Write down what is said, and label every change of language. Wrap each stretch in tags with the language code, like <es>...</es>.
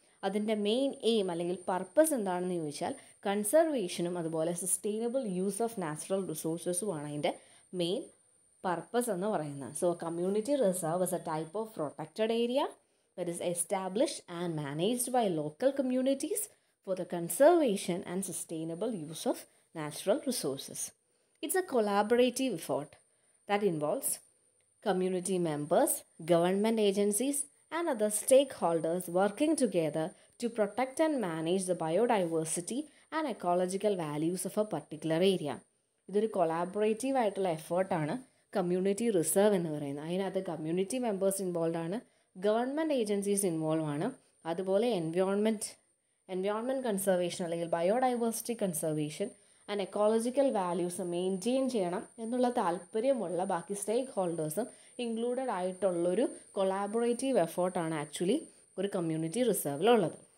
<ml>അതിൻ്റെ main aim അല്ലെങ്കിൽ purpose എന്താണെന്ന് ചോദിച്ചാൽ കൺസർവേഷനും അതുപോലെ സസ്റ്റൈനബിൾ യൂസ് ഓഫ് നാച്ചുറൽ റിസോഴ്സസും ആണ് അതിൻ്റെ മെയിൻ പർപ്പസ് എന്ന് പറയുന്നത്.</ml> <en>So community reserve is a type of protected area that is establish and managed by local communities for the conservation and sustainable use of natural resources. It's a collaborative effort that involves community members, government agencies and other stakeholders working together to protect and manage the biodiversity and ecological values of a particular area.</en> <ml>ഇതൊരു collaborative ആയിട്ടുള്ള എഫേർട്ടാണ് community reserve എന്ന് പറയുന്നത്. അതിനകത്ത് community members involve ആണ്, government agencies involve ആണ്, അതുപോലെ environment conservation അല്ലെങ്കിൽ biodiversity conservation and ecological values maintain ചെയ്യണം എന്നുള്ള താല്പര്യമുള്ള ബാക്കി സ്റ്റേക്ക് ഹോൾഡേഴ്സും ഇൻക്ലൂഡഡ് ആയിട്ടുള്ളൊരു കൊളാബറേറ്റീവ് എഫേർട്ടാണ് ആക്ച്വലി ഒരു കമ്മ്യൂണിറ്റി റിസർവിലുള്ളത്.</ml>